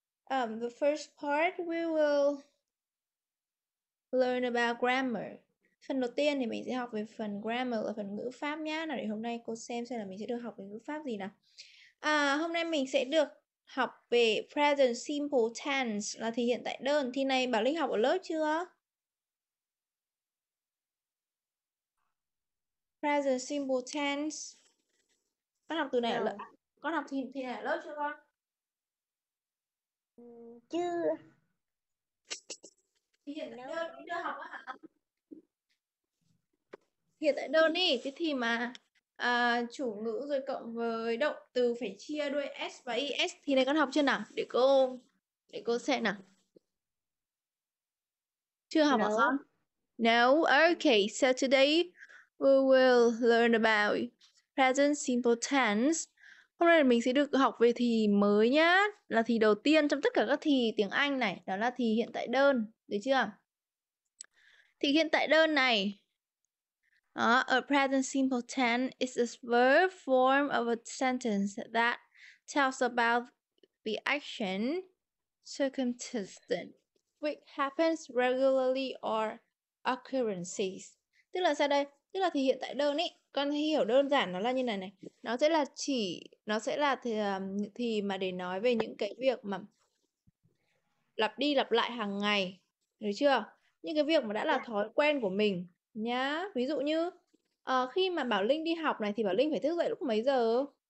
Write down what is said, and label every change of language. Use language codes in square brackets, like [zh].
[en] The first part we will learn about grammar. [vi] Phần đầu tiên thì mình sẽ học về phần grammar là phần ngữ pháp nhá. Nào để hôm nay cô xem là mình sẽ được học về ngữ pháp gì nào. Hôm nay mình sẽ được học về present simple tense là thì hiện tại đơn. Thì này Bảo Linh học ở lớp chưa? Present simple tense. Con học từ này ở lớp. [en] No. [vi] Con học thì này ở lớp chưa con? Chưa. Thì hiện tại [en] No, [vi] đơn đi đưa học á hả? Hiện tại đơn đi. Thế thì mà chủ ngữ rồi cộng với động từ phải chia đuôi s và is thì này con học chưa nào, để cô xem nào, chưa học hả [en] No. [vi] con? [en] No. Okay, so today we will learn about present simple tense. [vi] Hôm nay mình sẽ được học về thì mới nhá, là thì đầu tiên trong tất cả các thì tiếng Anh này, đó là thì hiện tại đơn, được chưa? Thì hiện tại đơn này. [en] A present simple tense is a verb form of a sentence that tells about the action, circumstance, which happens regularly or occurrences. [vi] Tức là sao đây? Tức là thì hiện tại đơn ý. Con hiểu đơn giản nó là như này này. Nó sẽ là thì mà để nói về những cái việc mà lặp đi lặp lại hàng ngày. Được chưa? Những cái việc mà đã là thói quen của mình nhá. Ví dụ như khi mà Bảo Linh đi học này thì Bảo Linh phải thức dậy lúc mấy giờ?